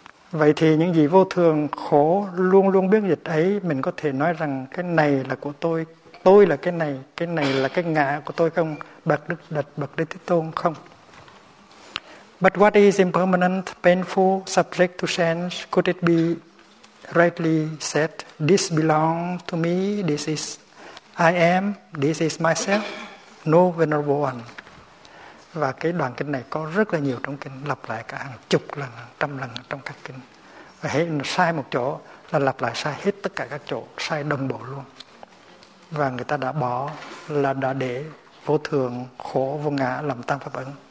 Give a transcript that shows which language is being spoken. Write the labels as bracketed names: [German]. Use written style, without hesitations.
[Vietnamese] Vậy thì những gì vô thường, khổ, luôn luôn biết dịch ấy, mình có thể nói rằng cái này là của tôi. Tôi là cái này là cái ngã của tôi không? Bậc Đức Đạt, Bậc Đức Thế Tôn không? [English] But what is impermanent, painful, subject to change, could it be rightly said, this belongs to me, this is I am, this is myself, no venerable one? [Vietnamese] Và cái đoạn kinh này có rất là nhiều trong kinh, lặp lại cả hàng chục lần, trăm lần trong các kinh. Và hết sai một chỗ là lặp lại sai hết tất cả các chỗ, sai đồng bộ luôn. Và người ta đã bỏ là đã để vô thường, khổ, vô ngã làm tăng pháp ấn.